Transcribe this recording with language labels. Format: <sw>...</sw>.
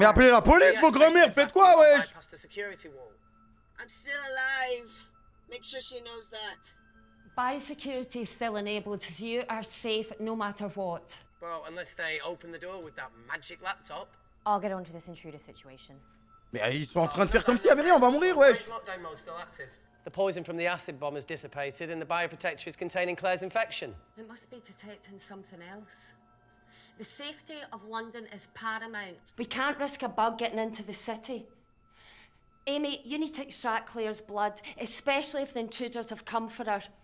<fr>Mais appelez la police, vos grand-mères, faites quoi, wesh?</fr> <en>Past the security wall. I'm still alive. Make sure she knows that. Biosecurity is still enabled, so you are safe no matter what. Well, unless they open the door with that magic laptop. I'll get onto this intruder situation.</en> <fr>Mais ils sont en train de faire comme s'il n'y avait rien, on va mourir, wesh!</fr> <en>The poison from the acid bomb has dissipated and the bioprotector is containing Claire's infection. It must be detecting something else. The safety of London is paramount. We can't risk a bug getting into the city. Amy, you need to extract Claire's blood, especially if the intruders have come for her.</en>